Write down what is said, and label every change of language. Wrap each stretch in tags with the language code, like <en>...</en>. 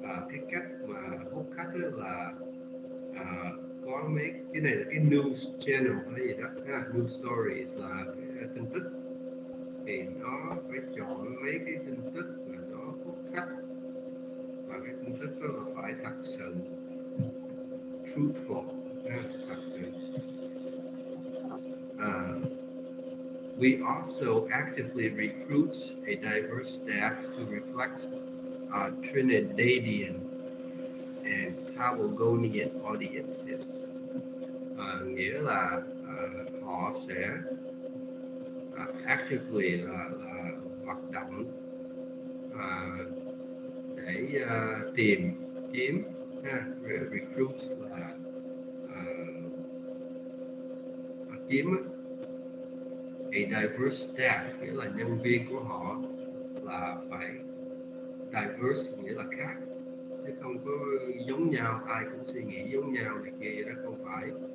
<vi>Cái cách mà hút khách là có mấy cái này là cái news channel hay gì đó, news stories là tin tức, thì nó phải chọn mấy cái tin tức mà nó hút khách, và cái tin tức đó là phải thật sự truthful, thật sự.</vi> <en>We also actively recruit a diverse staff to reflect our Trinidadian and Tobagonian audiences.</en> <vi>Nghĩa là họ sẽ actively là hoạt động để tìm kiếm, recruit là kiếm</vi> <en>a diverse staff,</en> <vi>nghĩa là nhân viên của họ là phải diverse, nghĩa là khác, chứ không có giống nhau, ai cũng suy nghĩ giống nhau này kia đó, không phải.</vi>